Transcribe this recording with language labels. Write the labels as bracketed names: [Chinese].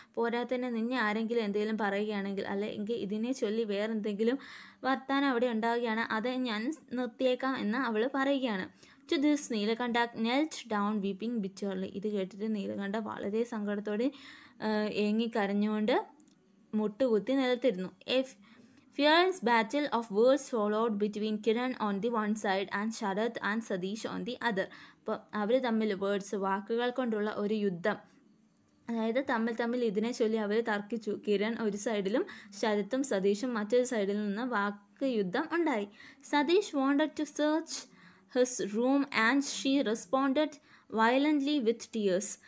[Malayalam] പോരാത്തന്നെ നിന്നെ ആരെങ്കിലും എന്തെങ്കിലും പറയുകയാണെങ്കിൽ, അല്ലെങ്കിൽ ഇതിനെ ചൊല്ലി വേറെന്തെങ്കിലും വർത്താനം അവിടെ ഉണ്ടാവുകയാണ്, അത് ഞാൻ നിർത്തിയേക്കാം എന്ന് അവൾ പറയുകയാണ്. [English] To this Neelakanta knelt down weeping bitterly. [Malayalam] ഇത് കേട്ടിട്ട് നീലകണ്ഠ വളരെ സങ്കടത്തോടെ ഏങ്ങിക്കരഞ്ഞുകൊണ്ട് മുട്ടുകുത്തി നിലത്തിരുന്നു. [English] എഫ് Fierce battle of words followed between Kiran on the one side and Sharath and Satish on the other. [Malayalam] അപ്പോൾ അവർ തമ്മിൽ വേർഡ്സ്, വാക്കുകൾ കൊണ്ടുള്ള ഒരു യുദ്ധം, അതായത് തമ്മിൽ തമ്മിൽ ഇതിനെ ചൊല്ലി അവർ തർക്കിച്ചു. കിരൺ ഒരു സൈഡിലും ശരത്തും സതീഷും മറ്റൊരു സൈഡിൽ നിന്ന് വാക്ക് യുദ്ധം ഉണ്ടായി. [English] Satish wanted to search his room and she responded violently with tears.